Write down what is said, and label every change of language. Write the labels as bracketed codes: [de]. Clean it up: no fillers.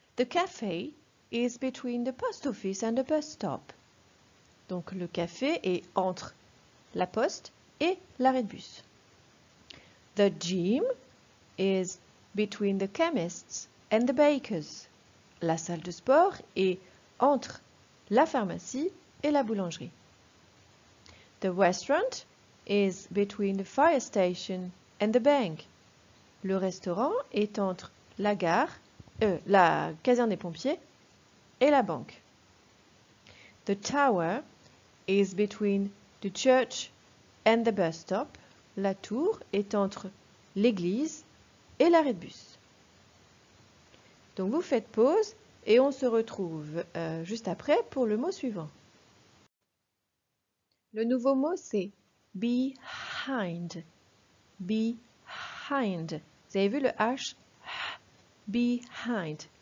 [en] The café is between the post office and the bus stop. [fr] Donc le café est entre la poste et l'arrêt de bus. [en] The gym is between the chemists and the bakers. [fr] La salle de sport est entre la pharmacie et la boulangerie. [en] The restaurant is between the fire station and the bank. [fr] Le restaurant est entre la gare, la caserne des pompiers et la banque. [en] The tower is between the church and the bus stop. [fr] La tour est entre l'église et l'arrêt de bus. Donc vous faites pause et on se retrouve juste après pour le mot suivant. Le nouveau mot c'est behind. Behind. Vous avez vu le H? Behind.